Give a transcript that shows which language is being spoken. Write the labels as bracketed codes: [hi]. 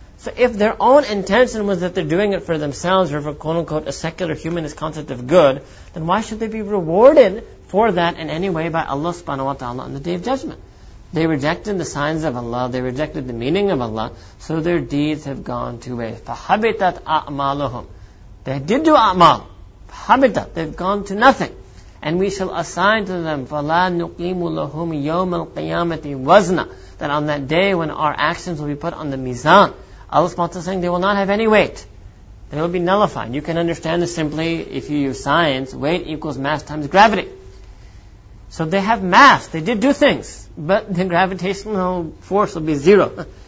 [en] So if their own intention was that they're doing it for themselves, or for quote-unquote a secular humanist concept of good, then why should they be rewarded for that in any way by Allah subhanahu wa ta'ala on the Day of Judgment? They rejected the signs of Allah, they rejected the meaning of Allah, so their deeds have gone to waste. [ar] فَحَبِتَتْ أَعْمَالُهُمْ. [en] They did do a'mal. [ar] فَحَبِتَتْ. [en] They've gone to nothing. And we shall assign to them, [ar] فَلَا نُقِيمُ لَهُمْ يَوْمَ الْقِيَامَةِ وَزْنَ. [en] That on that day when our actions will be put on the mizan, Allah subhanahu wa ta'ala is saying they will not have any weight. They will be nullified. You can understand this simply if you use science. Weight equals mass times gravity. So they have mass. They did do things. But the gravitational force will be zero.